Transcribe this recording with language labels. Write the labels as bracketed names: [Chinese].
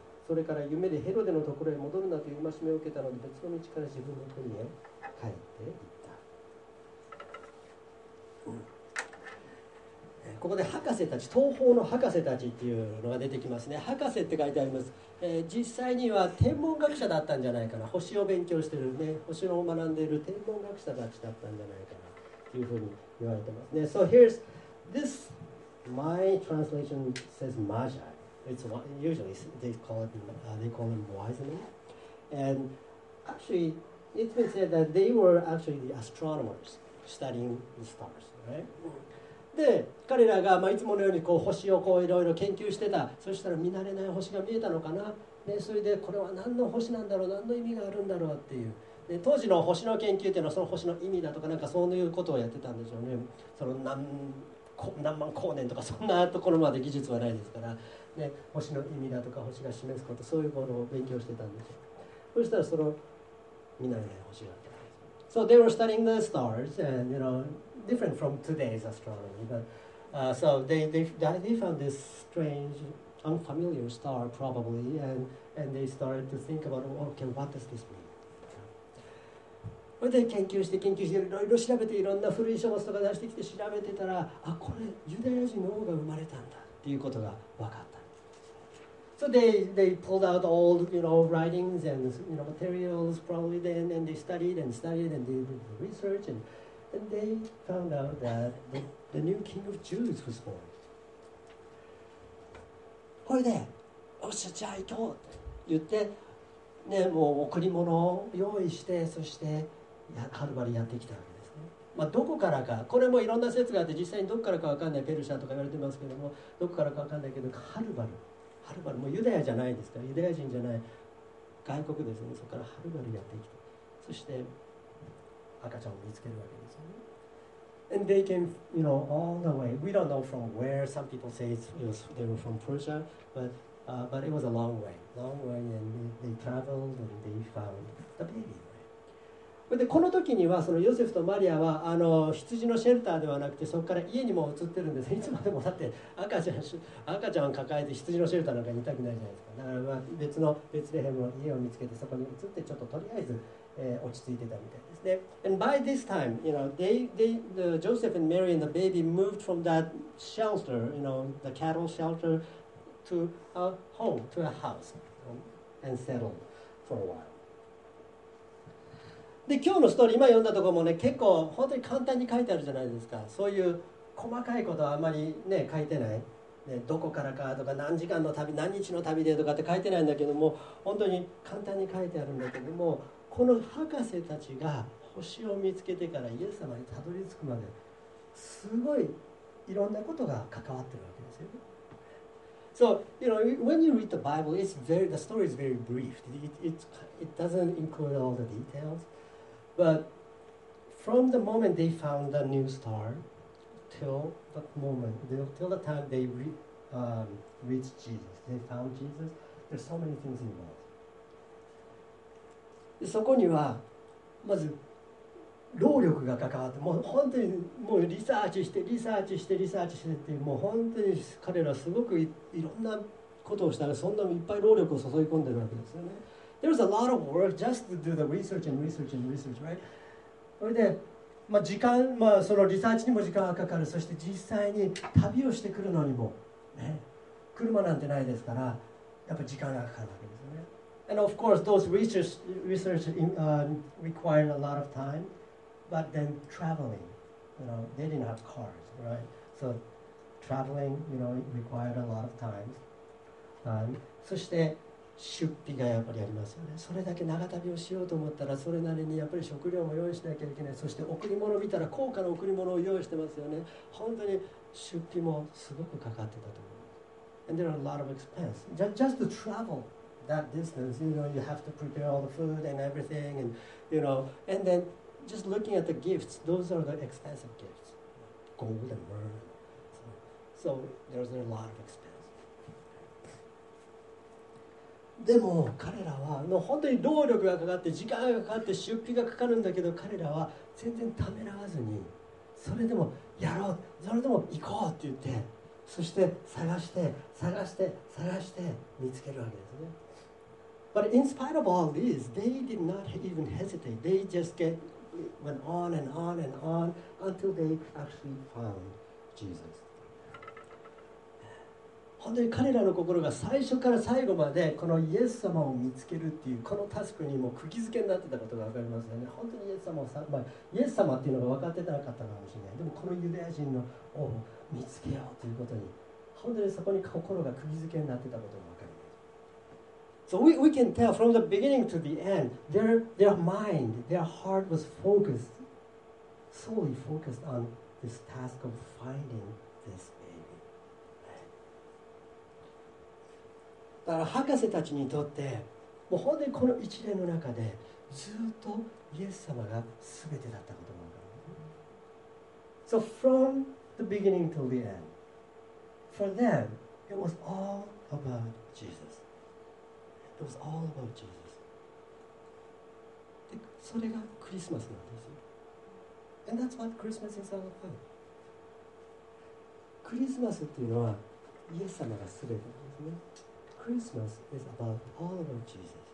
[Japanese] それから夢でヘロデのところへ戻るなという戒めを受けたので、別の道から自分の国へ帰っていった、ここで博士たち、東方の博士たちっていうのが出てきますね。博士って書いてあります、実際には天文学者だったんじゃないかな、星を勉強してるね、星を学んでいる天文学者たちだったんじゃないかなというふうに言われてますね。 [English] So here's this. My translation says Magi. It's usually they call them wise men, and actually it's been said that they were actually the astronomers studying the stars, right? [Japanese] で彼らが、まあ、いつものようにこう星をこういろいろ研究してた。そしたら見慣れない星が見えたのかな。でそれでこれは何の星なんだろう、何の意味があるんだろうっていう。で当時の星の研究っていうのはその星の意味だとかなんかそういうことをやってたんでしょうね。その何万光年とかそんなところまで技術はないですから。ね、星の意味だとか星が示すこと、そういうものを勉強してたんですよ。そしたらその見慣れない星があった。 [English] So they were studying the stars, and you know, different from today's astronomy. But so they found this strange, unfamiliar star probably, and they started to think about, okay, what does this mean? [Japanese] で研究して研究していろいろ調べて、いろんな古い書物とか出してきて調べてたら、あ、これユダヤ人の王が生まれたんだっていうことが分かった。 [English] So they pulled out old, you know, writings and you know, materials probably then, and they studied and did research, and they found out that the new king of Jews was born. [Japanese] これで、おっしゃ、じゃあ行こうって言って、ね、もう贈り物を用意して、そしてはるばりやってきたわけですね。まあ、どこからか、これもいろんな説があって、実際にどこからか分かんない、ペルシャとか言われてますけども、どこからか分かんないけど、はるばる、もうユダヤじゃないですから、ユダヤ人じゃない、外国ですね、そこからはるばるやってきて、そして赤ちゃんを見つけるわけですよね。 [English] And they came, you know, all the way. We don't know from where. Some people say they were from Persia, but it was a long way. Long way, and they traveled and they found the baby. [Japanese] でこの時にはそのヨセフとマリアはあの羊のシェルターではなくて、そこから家にも移ってるんです。いつまでもだって赤ちゃん抱えて羊のシェルターなんかにいたくないじゃないですか。だからまあ別のベツレヘムの家を見つけて、そこに移って、ちょっととりあえず、落ち着いてたみたいですね。 [English] And by this time, you know, the Joseph and Mary and the baby moved from that shelter, you know, the cattle shelter, to a home, to a house, and settled for a while. [Japanese] で今日のストーリー、今読んだところもね、結構本当に簡単に書いてあるじゃないですか。そういう細かいことはあまりね書いてない、ね、どこからかとか何時間の旅、何日の旅でとかって書いてないんだけども、本当に簡単に書いてあるんだけども、この博士たちが星を見つけてからイエス様にたどり着くまで、すごいいろんなことが関わってるわけですよ。 [English] So, you know, when you read the Bible, the story is very brief. It doesn't include all the details. But from the moment they found the new star till the time they reached Jesus, they found Jesus, there's so many things involved. [Japanese] そこにはまず労力が関わって、もう本当にもうリサーチしてっていう、もう本当に彼らすごく いろんなことをしたら、そんなにいっぱい労力を注ぎ込んでるわけですよね。 [English] There's a lot of work just to do the research, right? [Japanese] それで、まあ、時間、まあ、そのリサーチにも時間がかかる。そして実際に旅をしてくるのにも、ね、車なんてないですから、やっぱり時間がかかるわけですよね。 [English] And of course, those research required a lot of time, but then traveling, you know, they didn't have cars, right? So traveling, you know, required a lot of time. [Japanese] そして出費がやっぱりありますよね。それだけ長旅をしようと思ったら、それなりにやっぱり食料も用意しなきゃいけない。そして贈り物を見たら、高価な贈り物を用意してますよね。本当に出費もすごくかかってたと思います。 [English] And there are a lot of expense. Just to travel that distance, you know, you have to prepare all the food and everything, and you know, and then just looking at the gifts, those are the expensive gifts. Gold and myrrh. So there's a lot of expense. [Japanese] でも彼らは本当に労力がかかって、時間がかかって、出費がかかるんだけど、彼らは全然ためらわずに、それでもやろう、それでも行こうって言って、そして探して探して探して見つけるわけですね。 [English] But in spite of all this, they did not even hesitate. They just went on and on and on until they actually found Jesus. [Japanese] 本当に彼らの心が最初から最後までこのイエス様を見つけるっていうこのタスクにも釘付けになってたことが分かりますよね。本当にイエス様をさ、まあ、イエス様っていうのが分かってなかったかもしれない。でもこのユダヤ人の王を見つけようということに本当にそこに心が釘付けになってたことが分かります。 [English] So we can tell from the beginning to the end, their mind, their heart was focused, solely focused on this task of finding this. [Japanese] だから博士たちにとってもう本当にこの一連の中でずっとイエス様が全てだったことが分かる。 [English] So from the beginning to the end, for them it was all about Jesus. It was all about Jesus. [Japanese] で、それがクリスマスなんですよ。 [English] And that's what Christmas is all about. [Japanese] クリスマスっていうのはイエス様が全てなんですね。 [English] Christmas is about all about Jesus.